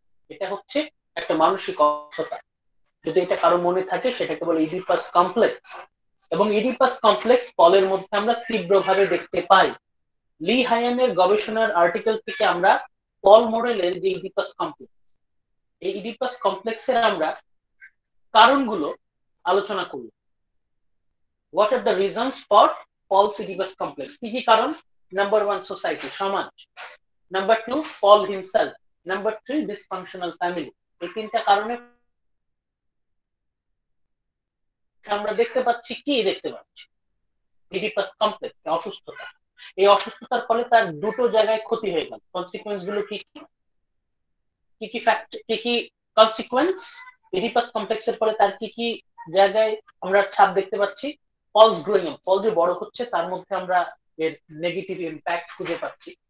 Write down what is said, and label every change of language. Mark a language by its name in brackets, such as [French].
[Bangla] এটা হচ্ছে একটা মানসিক অসুস্থতা, যদি এটা কারো মনে থাকে সেটাকে বলে ইডিপাস কমপ্লেক্স। এবং ইডিপাস কমপ্লেক্স পলের মধ্যে আমরা তীব্রভাবে দেখতে পাই। লি হায়ানের গবেষণার আর্টিকেল থেকে আমরা পল মোরেলের যে ইডিপাস কমপ্লেক্স, এই ইডিপাস কমপ্লেক্স এর আমরা কারণগুলো আলোচনা করি। [English] What are the reasons for Paul's Oedipus complex? [Bangla] কি কারণ? [English] Number one, society, সমাজ। Number two, Paul himself. Number three, dysfunctional family. [Bangla] এই তিনটা কারণে আমরা দেখতে পাচ্ছি, কি দেখতে পাচ্ছি? Oedipus complex, অসুস্থতা। এই অসুস্থতার ফলে তার দুটো জায়গায় ক্ষতি হয়ে গেল। কনসিকুয়েন্স গুলো কি কি? কি কি ফ্যাক্টর, কি কি কনসিকুয়েন্স Oedipus complex এর ফলে তার কি কি জায়গায় আমরা ছাপ দেখতে পাচ্ছি? [English] Paul's growing up, [Bangla] পল যে বড় হচ্ছে তার মধ্যে আমরা এর নেগেটিভ ইম্প্যাক্ট খুঁজে পাচ্ছি।